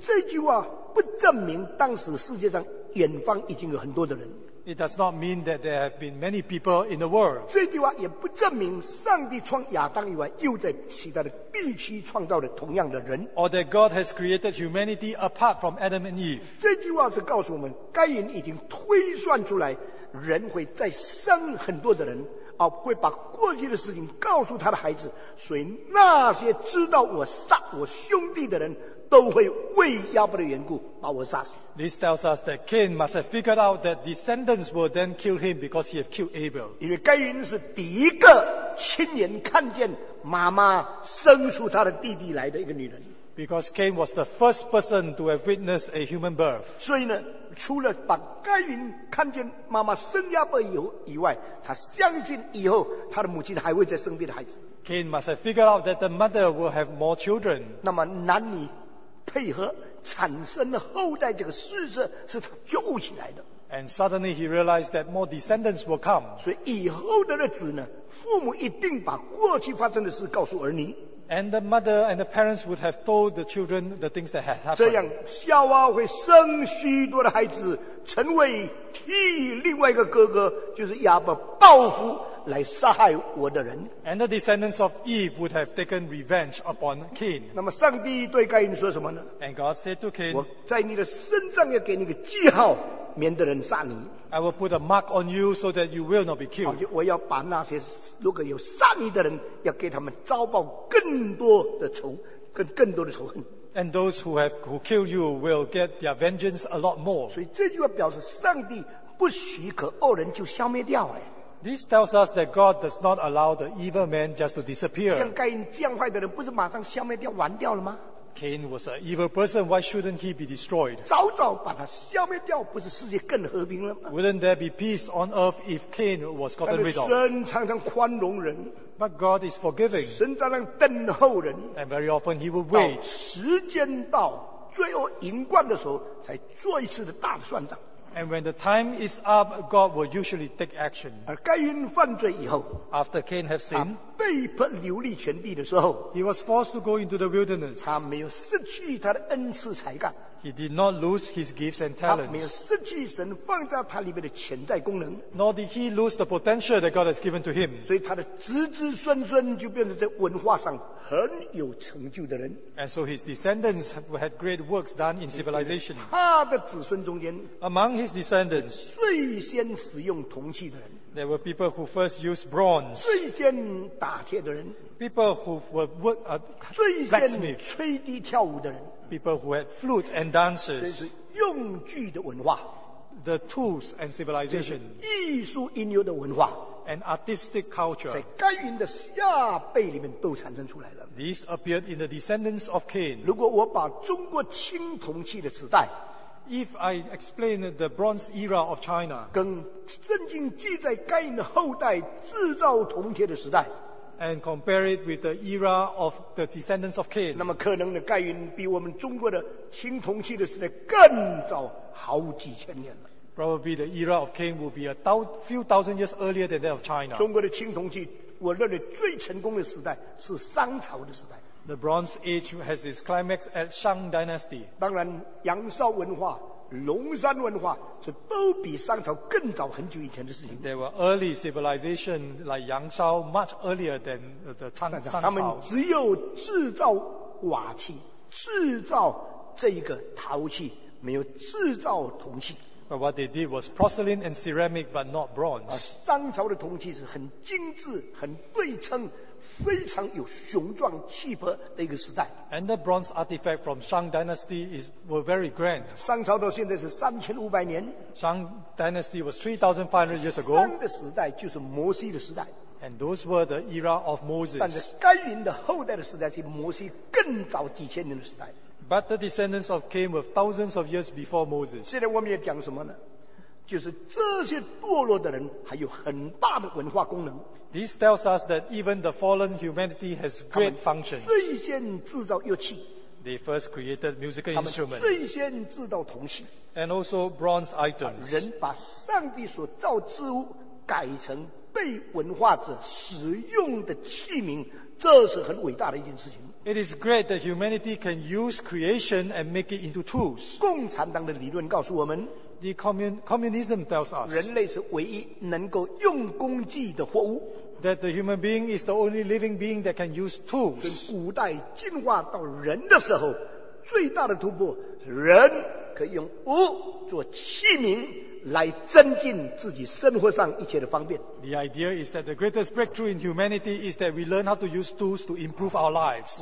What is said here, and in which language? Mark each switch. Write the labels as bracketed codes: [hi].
[zh] 这句话不证明当时世界上远方已经有很多的人。 [en] It does not mean that there have been many people in the world。 [zh] 这句话也不证明上帝创亚当以外又在其他的地区创造了同样的人。 [en] Or that God has created humanity apart from Adam and Eve。 [zh] 这句话是告诉我们，该隐已经推算出来，人会再生很多的人，而会把过去的事情告诉他的孩子，所以那些知道我杀我兄弟的人，都会为亚伯的缘故把我杀死。 [en] This tells us that Cain must have figured out that descendants will then kill him because he had killed Abel. [zh] 因为该隐是第一个亲眼看见妈妈生出他的弟弟来的一个女人。 [en] Because Cain was the first person to have witnessed a human birth. [zh] 所以呢，除了把该隐看见妈妈生亚伯以外，他相信以后他的母亲还会再生别的孩子。 [en] Cain must have figured out that the mother will have more children. [zh] 那么男女配合产生了后代这个事实是他救起来的。 [en] And suddenly he realized that more descendants will come. [zh] 所以以后的日子呢，父母一定把过去发生的事告诉儿女。 [en] And the mother and the parents would have told the children the things that had happened. [zh] 这样夏娃会生许多的孩子，成为替另外一个哥哥，就是亚伯报复来杀害我的人。 [en] And the descendants of Eve would have taken revenge upon Cain. [zh] 那么上帝对该隐说什么呢？ [en] And God said to Cain, [zh] 我在你的身上要给你个记号，免得人杀你。 [en] I will put a mark on you so that you will not be killed. [zh] 我要把那些如果有杀你的人，要给他们遭报更多的仇，更多的仇恨。 [en] And those who kill you will get their vengeance a lot more. [zh] 所以这句话表示上帝不许可恶人就消灭掉哎。 [en] This tells us that God does not allow the evil man just to disappear. [zh] 像该隐这样坏的人，不是马上消灭掉、完掉了吗？ [en] Cain was an evil person. Why shouldn't he be destroyed? [zh] 早早把他消灭掉，不是世界更和平了吗？ [en] Wouldn't there be peace on earth if Cain was gotten rid of? [zh] 神常常宽容人。 [en] But God is forgiving. [zh] 神常常等候人。 [en] And very often he will wait. [zh] 到时间到，罪恶盈灌的时候，才做一次的大的算账。 [en] And when the time is up, God will usually take action. [zh] 而该隐犯罪以后 [en] ，After Cain has sinned, [zh] 他被迫流离全地的时候 [en] ，He was forced to go into the wilderness. [zh] 他没有失去他的恩赐才干 [en] He did not lose his gifts and talents. [zh] 他没有失去神放在他里面的潜在功能。 [en] Nor did he lose the potential that God has given to him. [zh] 所以他的子子孙孙就变成在文化上很有成就的人。 [en] And so his descendants had great works done in civilization. [zh] 他的子孙中间 [en] ，Among his descendants， [zh] 最先使用铜器的人。 [en] There were people who first used bronze. [zh] 最先打铁的人。 [en] People who were blacksmiths. [zh] 最先吹笛跳舞的人。 [en] People who had flute and dancers. [zh] 这是用具的文化。 [en] The tools and civilization. [zh] 艺术应有的文化。 [en] An artistic culture. [zh] 在该隐的下辈里面都产生出来了。 [en] These appeared in the descendants of Cain. [zh] 如果我把中国青铜器的时代。 [en] If I explain the bronze era of China. [zh] 跟圣经记载该隐的后代制造铜铁的时代。 [en] And compare it with the era of the descendants of Cain. [zh] 那么可能的盖云比我们中国的青铜器的时代更早好几千年了。 [en] Probably the era of Cain will be a few thousand years earlier than that of China. [zh] 中国的青铜器，我认为最成功的时代是商朝的时代。 [en] The Bronze Age has its climax at Shang Dynasty. [zh] 当然，杨邵文化。龙山文化这都比商朝更早很久以前的事情。 [en] There were early civilization like 杨邵 much earlier than the 商朝。 [zh] 他们只有制造瓦器，制造这一个陶器，没有制造铜器。 [en] But what they did was porcelain and ceramic, but not bronze. [zh] 商朝的铜器是很精致、很对称。非常有雄壮气魄的一个时代。 [en] And the bronze artifact from Shang Dynasty were very grand. [zh] 商朝到现在是3500年。 [en] Shang Dynasty was 3500 years ago. [zh] 商的时代就是摩西的时代。 [en] And those were the era of Moses. [zh] 但是该隐的后代的时代是摩西更早几千年的时代。 [en] But the descendants of Cain were thousands of years before Moses. [zh] 现在我们要讲什么呢？就是这些堕落的人还有很大的文化功能。 [en] This tells us that even the fallen humanity has great functions. [zh] 最先制造乐器。 [en] They first created musical instruments. [zh] 最先制造铜器。 [en] And also bronze items. [zh] 人把上帝所造之物改成被文化者使用的器皿，这是很伟大的一件事情。 [en] It is great that humanity can use creation and make it into tools. [zh] 共产党的理论告诉我们。 [en] The communism tells us [zh] 人类是唯一能够用工具的货物。 [en] That the human being is the only living being that can use tools. [zh] 从古代进化到人的时候，最大的突破，人可以用物做器皿来增进自己生活上一切的方便。 [en] The idea is that the greatest breakthrough in humanity is that we learn how to use tools to improve our lives.